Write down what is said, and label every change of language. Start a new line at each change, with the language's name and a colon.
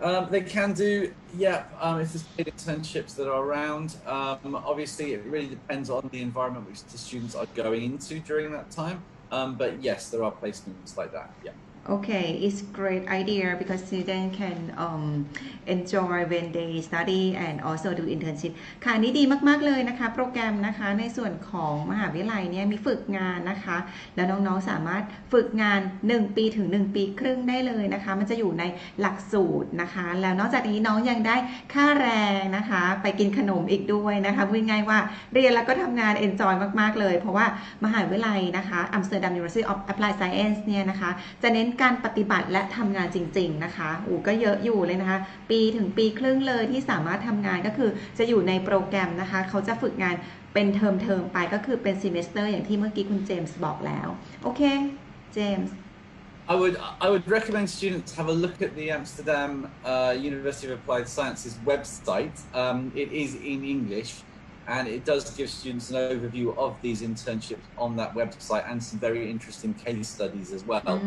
English: They can do, if there's paid internships that are around. Obviously, it really depends on the environment which the students are going into during that time. But yes, there are placements like that, yeah. Okay, it's great idea because students can enjoy when they study and also do internship.
Thai: ค่ะนี่ดีมากๆเลยนะคะโปรแกรมนะคะในส่วนของมหาวิทยาลัยเนี่ยมีฝึกงานนะคะแล้วน้องๆสามารถฝึกงาน1ปีถึง1ปีครึ่งได้เลยนะคะมันจะอยู่ในหลักสูตรนะคะแล้วนอกจากนี้น้องยังได้ ค่าแรงนะคะไปกินขนมอีกด้วยนะคะพูดง่ายว่าเรียนแล้วก็ทำงาน enjoy มากๆเลยเพราะว่ามหาวิทยาลัยนะคะ Amsterdam University of Applied Science เนี่ยนะคะจะเน้นการปฏิบัติและทำงานจริงๆนะคะอูก็เยอะอยู่เลยนะคะปีถึงปีครึ่งเลยที่สามารถทำงานก็คือจะอยู่ในโปรแกรมนะคะเขาจะฝึกงานเป็นเทอมๆไปก็คือเป็นซีเมสเตอร์อย่างที่เมื่อกี้คุณเจมส์บอกแล้วโอเคเจมส์
English: I would recommend students have a look at the Amsterdam University of Applied Sciences website. It is in English and it does give students an overview of these internships on that website and some very interesting case studies as well.